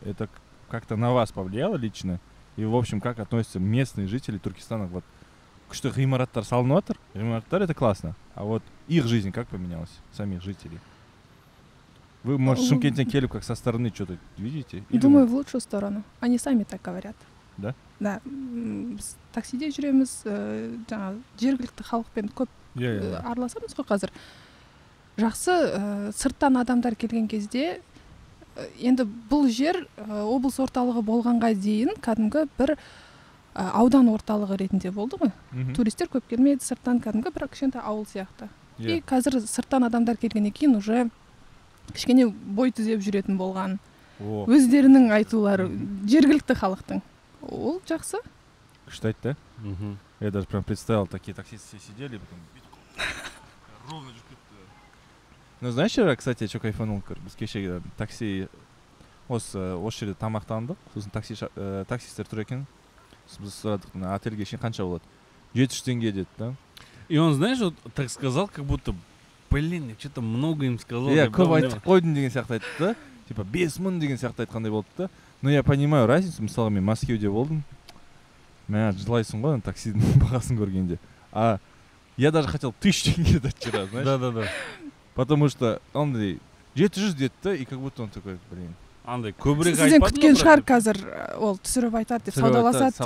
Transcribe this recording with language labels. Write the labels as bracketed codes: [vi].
[ru] Это как-то на вас повлияло лично? И, в общем, как относятся местные жители Туркестана? Вот, что [kk] ғимараттар салынуатыр? [ru] Ғимараттар — это классно. А вот их жизнь как поменялась, самих жителей? Вы, может, [kk] Шымкенттен келіп [ru] как со стороны что-то видите? Думаю, в лучшую сторону. Они сами так говорят. Да? Да. [kk] Таксиде жүреміз, жергілікті халықпен көп арласамыз ғой қазір. Жақсы, сырттан адамдар келген кезде... Енді бұл жер облыс орталығы болғанға дейін кәдімгі бір аудан орталығы ретінде болды ғой. Туристер көп келмейді сырттан, кәдімгі бір кішкентай ауыл сияқты. И қазір сырттан адамдар келгеннен кейін уже кішкене бой түзеп жүретін болған. Өздерінің айтулары жергілікті халықтың. Ол жақсы. Күшті айтты. [ru] Я даже прям представил, такие таксисты сидели, потом ровно же. Ну, знаешь, я, кстати, что кайфанул, [kk] біз кеше такси, осы жерде тамақтандық, сосын таксистер тұр екен, біз сұрадық, отельге ішін қанша болады, 700 теңге деді, да? [ru] И он, знаешь, вот так сказал, как будто, блин, я что-то много им сказал. [kk] Я көп айтып қойдым деген сияқты айтты, да? Типа, 5000 деген сияқты айтқандай болды, да? [ru] Но я понимаю разницу, [kk] мысалы, мен Мәскеуде болдым, мен жылайсың ғой, таксидің бағасын көргенде. [ru] А я даже хотел 1000 теңге дать вчера, знаешь? Да-да-да. Потому что он дей, [kk] 700 деді, [ru] и как будто он такой, блин. [kk] Андай, көбірек айтпады. Сізден күткен шығар қазір, ол түсіріп айтады деп, саудаласады деп.